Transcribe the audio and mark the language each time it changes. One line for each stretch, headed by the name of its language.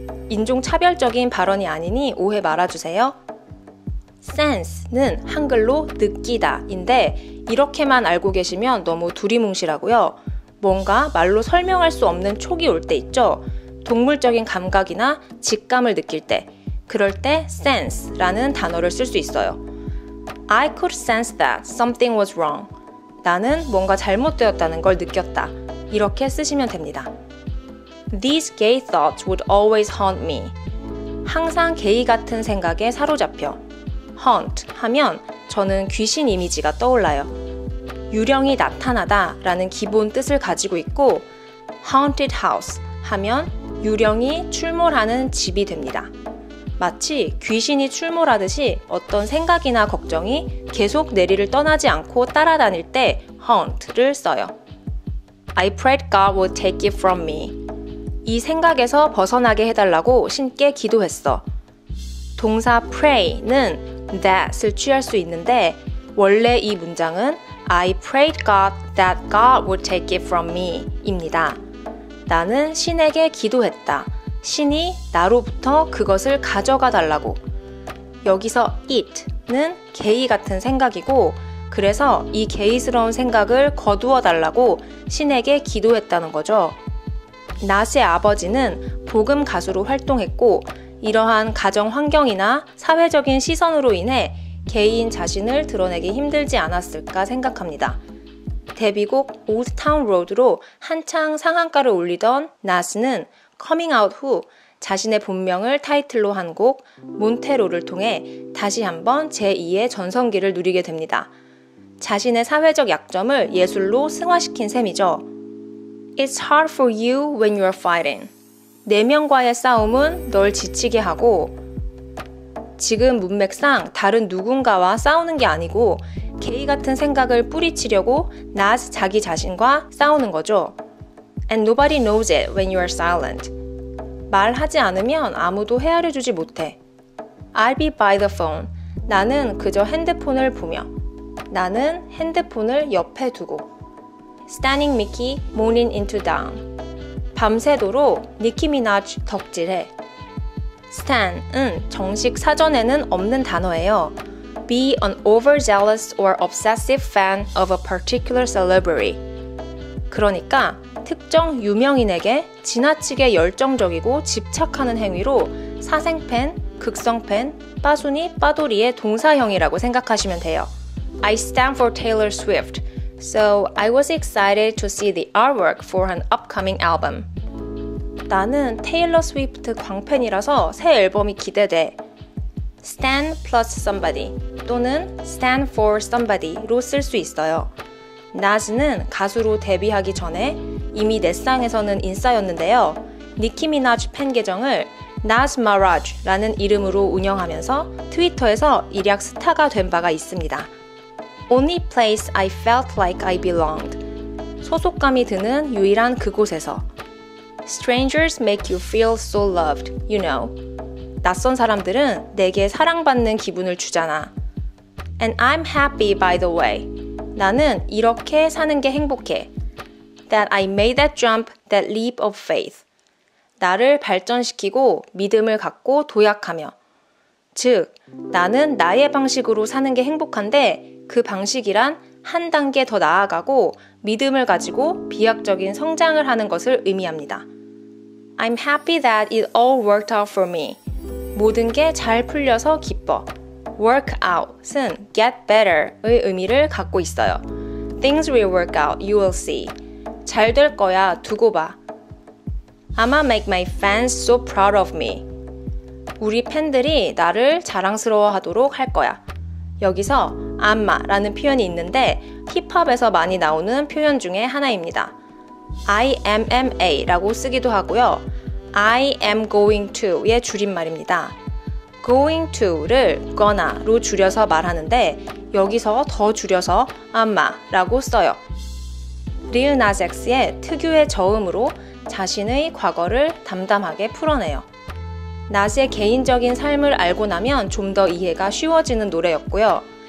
Korean: 인종차별적인 발언이 아니니 오해 말아주세요. Sense는 한글로 느끼다인데 이렇게만 알고 계시면 너무 두리뭉실하고요. 뭔가 말로 설명할 수 없는 촉이 올 때 있죠. 동물적인 감각이나 직감을 느낄 때, 그럴 때 sense라는 단어를 쓸 수 있어요.
English: I could sense that something was wrong.
Korean: 나는 뭔가 잘못되었다는 걸 느꼈다. 이렇게 쓰시면 됩니다.
English: These gay thoughts would always haunt me.
Korean: 항상 게이 같은 생각에 사로잡혀. Haunt 하면 저는 귀신 이미지가 떠올라요. 유령이 나타나다 라는 기본 뜻을 가지고 있고 Haunted House 하면 유령이 출몰하는 집이 됩니다. 마치 귀신이 출몰하듯이 어떤 생각이나 걱정이 계속 내리를 떠나지 않고 따라다닐 때 Haunt를 써요.
English: I prayed God would take it from me.
Korean: 이 생각에서 벗어나게 해달라고 신께 기도했어. 동사 pray는 that을 취할 수 있는데 원래 이 문장은
English: I prayed God that God would take it from me
Korean: 입니다. 나는 신에게 기도했다. 신이 나로부터 그것을 가져가 달라고. 여기서 it는 게이 같은 생각이고 그래서 이 게이스러운 생각을 거두어 달라고 신에게 기도했다는 거죠. 낫의 아버지는 복음 가수로 활동했고 이러한 가정 환경이나 사회적인 시선으로 인해 개인 자신을 드러내기 힘들지 않았을까 생각합니다. 데뷔곡 Old Town Road로 한창 상한가를 올리던 나스는 Coming Out 후 자신의 본명을 타이틀로 한 곡 Montero를 통해 다시 한번 제2의 전성기를 누리게 됩니다. 자신의 사회적 약점을 예술로 승화시킨 셈이죠.
English: It's hard for you when you're fighting.
Korean: 내면과의 싸움은 널 지치게 하고 지금 문맥상 다른 누군가와 싸우는 게 아니고 게이 같은 생각을 뿌리치려고 나 자기 자신과 싸우는 거죠.
English: And nobody knows it when you are silent.
Korean: 말하지 않으면 아무도 헤아려 주지 못해.
English: I'll be by the phone.
Korean: 나는 그저 핸드폰을 보며. 나는 핸드폰을 옆에 두고.
English: Standing Mickey, moaning into dawn.
Korean: 밤새도록 Nicki Minaj 덕질해. Stan은 정식 사전에는 없는 단어예요.
English: Be an overzealous or obsessive fan of a particular celebrity.
Korean: 그러니까 특정 유명인에게 지나치게 열정적이고 집착하는 행위로 사생팬, 극성팬, 빠순이, 빠돌이의 동사형이라고 생각하시면 돼요.
English: I stan for Taylor Swift, so I was excited to see the artwork for an upcoming album.
Korean: 나는 테일러 스위프트 광팬이라서 새 앨범이 기대돼.
English: Stan plus somebody
Korean: 또는
English: stan for somebody
Korean: 로 쓸 수 있어요. 나즈는 가수로 데뷔하기 전에 이미 넷상에서는 인싸였는데요. 니키 미나즈 팬 계정을 나즈 마라즈라는 이름으로 운영하면서 트위터에서 일약 스타가 된 바가 있습니다.
English: Only place I felt like I belonged.
Korean: 소속감이 드는 유일한 그곳에서
English: Strangers make you feel so loved, you know. 낯선 사람들은 내게 사랑받는 기분을 주잖아. And I'm happy by the way.
Korean: 나는 이렇게 사는 게 행복해.
English: That I made that jump, that leap of faith.
Korean: 나를 발전시키고 믿음을 갖고 도약하며. 즉, 나는 나의 방식으로 사는 게 행복한데 그 방식이란 한 단계 더 나아가고 믿음을 가지고 비약적인 성장을 하는 것을 의미합니다.
English: I'm happy that it all worked out for me.
Korean: 모든 게 잘 풀려서 기뻐. Work out은 get better의 의미를 갖고 있어요.
English: Things will work out, you will see.
Korean: 잘 될 거야, 두고 봐.
English: I'ma make my fans so proud of me.
Korean: 우리 팬들이 나를 자랑스러워하도록 할 거야. 여기서 아마라는 표현이 있는데 힙합에서 많이 나오는 표현 중에 하나입니다. IMMA라고 쓰기도 하고요.
English: I am going to
Korean: 의 줄임말입니다. Going to를 gonna로 줄여서 말하는데 여기서 더 줄여서 아마라고 써요. Lil Nas X의 특유의 저음으로 자신의 과거를 담담하게 풀어내요. 나스의 개인적인 삶을 알고 나면 좀 더 이해가 쉬워지는 노래였고요.